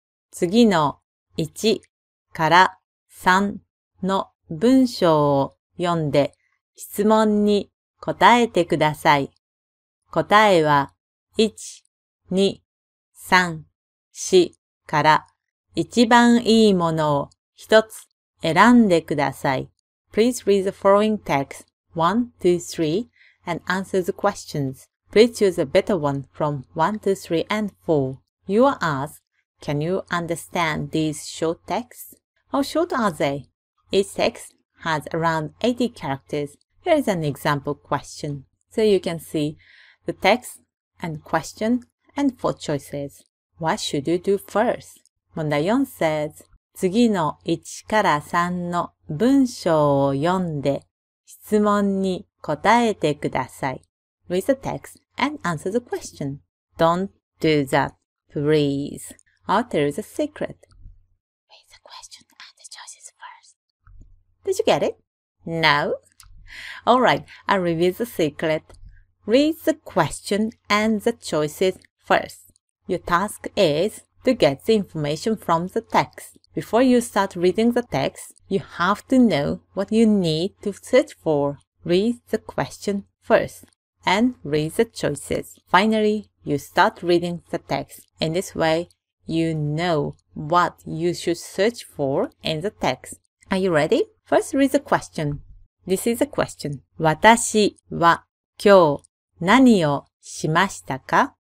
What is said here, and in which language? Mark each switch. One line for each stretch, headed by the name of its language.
Japanese: 次の1から3の文章を読んで質問に答えてください。答えは1、2、3、4から一番いいものを一つ選んでください。
English: Please read the following text 1, 2, 3 and answer the questions. Please choose a better one from 1, 2, 3 and 4. You are asked, can you understand these short texts? How short are they? Each text has around 80 characters. Here is an example question. So you can see the text and question and four choices. What should you do first?
Japanese: 問題 4
English: says,
Japanese: 次の1から3の文章を読んで質問に答えてください。
English: Read the text and answer the question. Don't do that, please. I'll tell you the secret. Read the question and the choices first. Did you get it? No? Alright, I'll reveal the secret. Read the question and the choices first. Your task is to get the information from the text. Before you start reading the text, you have to know what you need to search for. Read the question first and read the choices. Finally, you start reading the text. In this way, you know what you should search for in the text. Are you ready? First, read the question. This is the question.
Japanese: 私は今日何をしましたか?